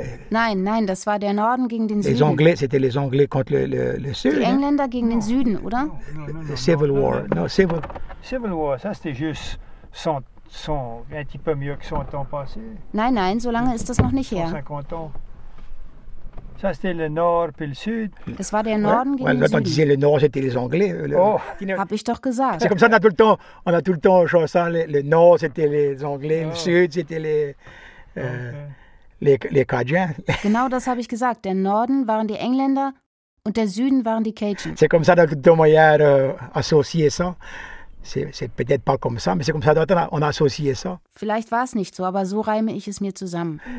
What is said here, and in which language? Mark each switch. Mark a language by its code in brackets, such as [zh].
[de] Nein, nein, das war der Norden gegen den Süden. [fr] Les Anglais, c'était les Anglais contre le Sud. [de] Die Engländer gegen den Süden, oder? [en] Civil War. [fr] Non, civil. Civil War, ça c'était juste son un petit peu mieux que 100 ans passé. [de] Nein, nein, so lange ist das noch nicht her. [fr] Ça c'était le nord puis le sud. [de] Das war der Norden gegen den Süden. [fr] Quand on disait le nord, c'était les Anglais. [de] Hab ich doch gesagt. [fr] C'est comme ça, on a tout le temps en chanson, le nord, c'était les Anglais, le sud, c'était les Cajuns. [de] Genau das habe ich gesagt. Der Norden waren die Engländer und der Süden waren die Cajuns. [fr] C'est comme ça, dans tout le temps, on a associé ça. C'est peut-être pas comme ça, mais c'est comme ça, on a associé ça. [de] Vielleicht war es nicht so, aber so reime ich es mir zusammen.